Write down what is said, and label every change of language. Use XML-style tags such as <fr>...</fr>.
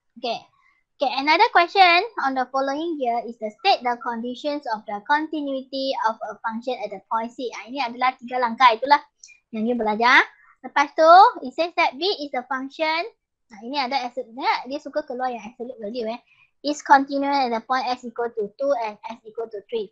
<en>Okay, another question on the following year is to state the conditions of the continuity of a function at the point C.</en> <ms>Ini adalah tiga langkah itulah yang you belajar. Lepas tu,</ms> <en>it says that V is a function</en> <ms>Ini ada absolute, dia suka keluar yang absolute value eh.</ms> <en>Is continuous at the point x equal to 2 and x equal to 3.</en>